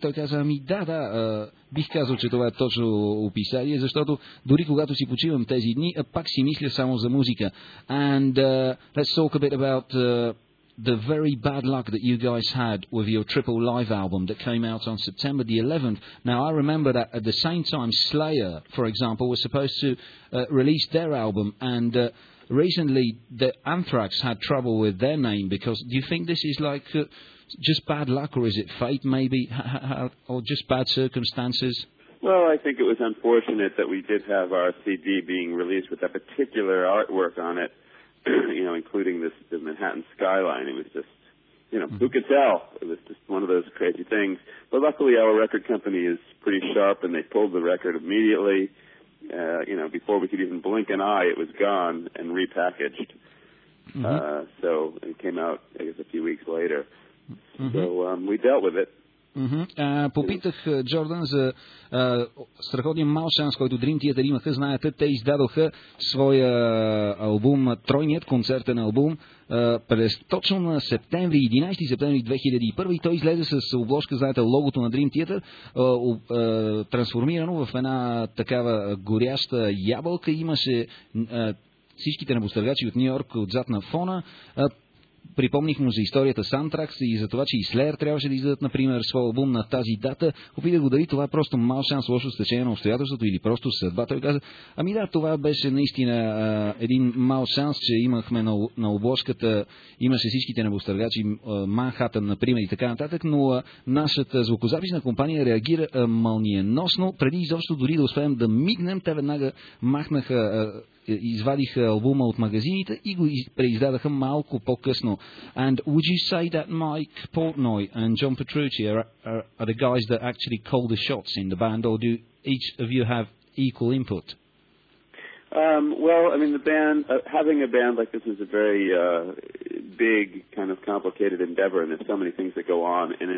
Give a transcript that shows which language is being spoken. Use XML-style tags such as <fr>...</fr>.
<bg>Той каза, ами да, да, бих казал, че това е точно описание, защото дори когато си почивам тези дни, пак си мисля само за музика.</bg> <en>And let's talk a bit about the very bad luck that you guys had with your triple live album that came out on September the 11th. Now, I remember that at the same time, Slayer, for example, was supposed to release their album, and recently the Anthrax had trouble with their name. Because do you think this is like just bad luck, or is it fate maybe, or just bad circumstances? Well, I think it was unfortunate that we did have our CD being released with that particular artwork on it. You know, including this, the Manhattan skyline. It was just, you know, who could tell? It was just one of those crazy things. But luckily, our record company is pretty sharp, and they pulled the record immediately. You know, before we could even blink an eye, it was gone and repackaged. So it came out, I guess, a few weeks later. So we dealt with it.</en> <bg>Попитах Джордан за страхотния мал шанс, който Dream Theater имаха. Знаете, те издадоха своя албум, тройният концертен албум, през точно на септември, 11 септември 2001. И той излезе с обложка, знаете, логото на Dream Theater, трансформирано в една такава горяща ябълка. Имаше всичките небостъргачи от Нью-Йорк отзад на фона. Припомних му за историята с Anthrax и за това, че и Slayer трябваше да издадат, например, своя албум на тази дата. Попитах го дали това е просто мал шанс, лошо стечение на обстоятелството или просто съдба. Той каза, ами да, това беше наистина един мал шанс, че имахме на обложката, имаше всичките небостъргачи, Манхатън, например, и така нататък, но нашата звукозаписна компания реагира мълниеносно. Преди изобщо дори да успеем да мигнем, те веднага махнаха, извадиха албума от магазините и го преиздадаха малко по-късно.</bg> <en>And would you say that Mike Portnoy and John Petrucci are the guys that actually call the shots in the band, or do each of you have equal input? Well, I mean, the band, having a band like this is a very big, kind of complicated endeavor, and there's so many things that go on.</en>